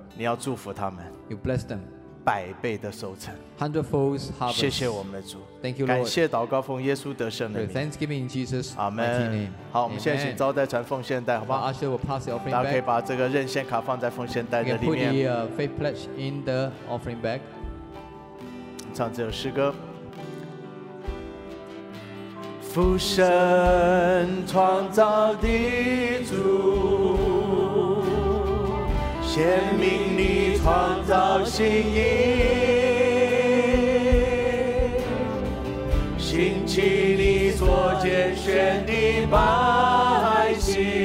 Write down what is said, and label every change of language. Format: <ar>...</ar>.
<zh>你要祝福他们。</zh> <en>You bless them.</en> <zh>百倍的收成。</zh> <en>Hundredfold harvest.</en> <zh>谢谢我们的主。</zh> <en>Thank you, Lord.</en> <zh>感谢祷告奉耶稣得胜的名。</zh> <en>Thanksgiving in Jesus. Amen.</en> <zh>好，我们现在请招待传奉献袋，好吧？大家可以把这个任线卡放在奉献袋的里面。</zh> <en>You can put the faith pledge in the offering bag.</en> <zh>唱这首诗歌。父神创造地主，显明你创造心意，兴起你所拣选的百姓，</zh>